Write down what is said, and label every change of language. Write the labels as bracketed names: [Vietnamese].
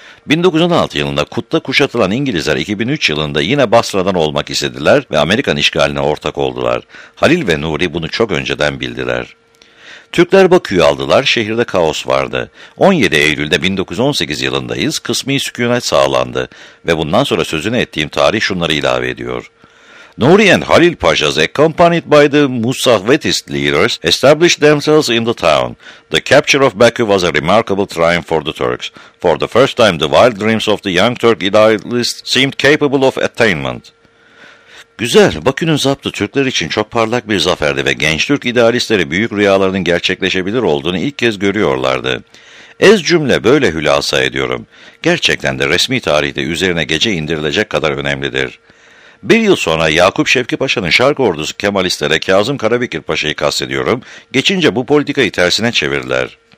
[Turkish] 1916 yılında Kut'ta kuşatılan İngilizler 2003 yılında yine Basra'dan olmak istediler ve Amerikan işgaline ortak oldular. Halil ve Nuri bunu çok önceden bildiler. Türkler Bakü'yü aldılar, şehirde kaos vardı. 17 Eylül'de 1918 yılındayız, kısmi sükunet sağlandı ve bundan sonra sözünü ettiğim tarih şunları ilave ediyor. [English] Nuri and Halil Pashas, accompanied by the Musavvetist leaders, established themselves in the town. The capture of Baku was a remarkable triumph for the Turks. For the first time, the wild dreams of the young Turk idealist seemed capable of attainment. [Turkish] Güzel, Bakü'nün zaptı Türkler için çok parlak bir zaferdi ve genç Türk idealistleri büyük rüyalarının gerçekleşebilir olduğunu ilk kez görüyorlardı. Ez cümle böyle hülasa ediyorum. Gerçekten de resmi tarihte üzerine gece indirilecek kadar önemlidir. Bir yıl sonra Yakup Şevki Paşa'nın Şark ordusu Kemalistlere Kazım Karabekir Paşa'yı kastediyorum, geçince bu politikayı tersine çevirdiler.